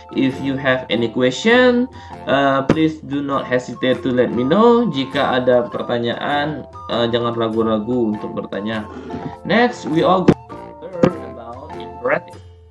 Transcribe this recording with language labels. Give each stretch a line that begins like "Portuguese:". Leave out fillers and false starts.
English: If you have any question, please do not hesitate to let me know.
Indonesian: Jika ada pertanyaan, jangan ragu-ragu untuk bertanya.
English: Next, we all go to learn about imperative.